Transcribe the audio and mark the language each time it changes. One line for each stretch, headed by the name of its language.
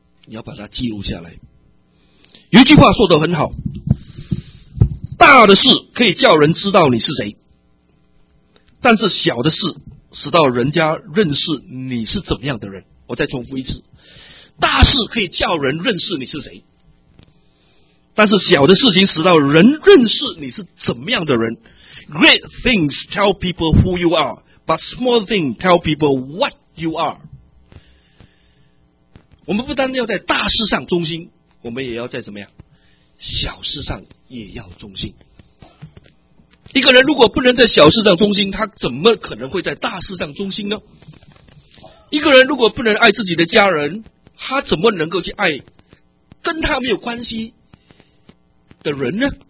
Chinese: 你要把它记录下来。有一句话说得很好，大的事可以叫人知道你是谁，但是小的事使到人家认识你是怎么样的人。我再重复一次，大事可以叫人认识你是谁，但是小的事情使到人认识你是怎么样的人。
English: Great things tell people who you are, but small things tell people what you are。
Chinese: 我们不单要在大事上忠心，我们也要在怎么样小事上也要忠心。一个人如果不能在小事上忠心，他怎么可能会在大事上忠心呢？一个人如果不能爱自己的家人，他怎么能够去爱跟他没有关系的人呢？